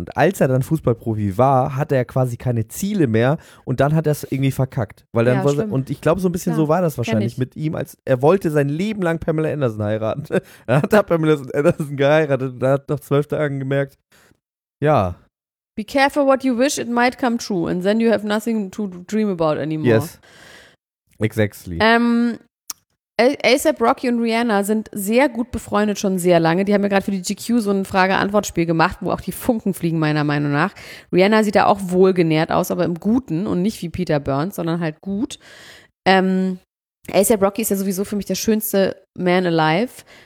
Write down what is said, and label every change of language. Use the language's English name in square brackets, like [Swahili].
[German] Und als er dann Fußballprofi war, hatte er quasi keine Ziele mehr und dann hat er es irgendwie verkackt. Weil dann ja, stimmt. Und ich glaube, so ein bisschen ja, so war das wahrscheinlich mit ihm, als er wollte sein Leben lang Pamela Anderson heiraten. Dann hat er Pamela Anderson geheiratet und hat nach 12 Tagen gemerkt, ja. [English] Be careful what you wish, it might come true. And then you have nothing to dream about anymore. Yes, exactly. [German] A$AP Rocky und Rihanna sind sehr gut befreundet, schon sehr lange. Die haben ja gerade für die GQ so ein Frage-Antwort-Spiel gemacht, wo auch die Funken fliegen, meiner Meinung nach. Rihanna sieht da auch wohlgenährt aus, aber im Guten und nicht wie Peter Burns, sondern halt gut. A$AP Rocky ist ja sowieso für mich der schönste [English] Man alive.